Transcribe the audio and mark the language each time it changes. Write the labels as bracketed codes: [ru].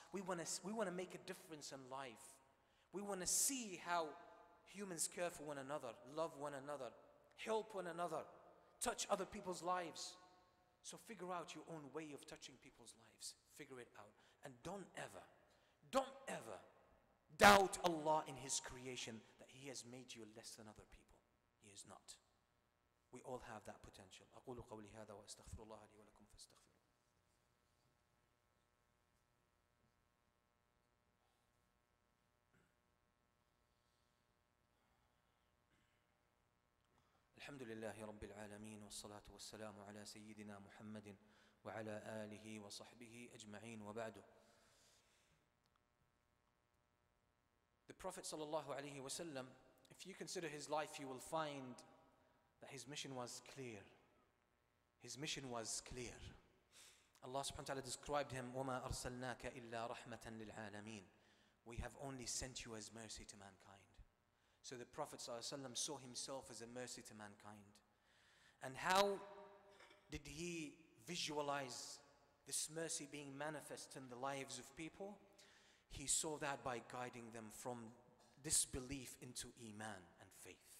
[en] We want to make a difference in life. We want to see how humans care for one another, love one another, help one another, touch other people's lives. So figure out your own way of touching people's lives. Figure it out. And don't ever doubt Allah in His creation that He has made you less than other people. He is not. We all have that potential. [ar] أقول قولي هذا وأستغفر الله لي ولكم فاستغفروا. الحمد لله رب العالمين والصلاة والسلام على سيدنا محمد وعلى آله وصحبه أجمعين وبعد. [en] The Prophet [ar] صلى الله عليه وسلم, [en] if you consider his life, you will find that his mission was clear. His mission was clear. [ar] Allah سبحانه وتعالى [en] described him, [ar] وما أرسلناك إلا رحمة للعالمين. [en] We have only sent you as mercy to mankind. So the Prophet ﷺ saw himself as a mercy to mankind. And how did he visualize this mercy being manifest in the lives of people? He saw that by guiding them from disbelief into iman and faith.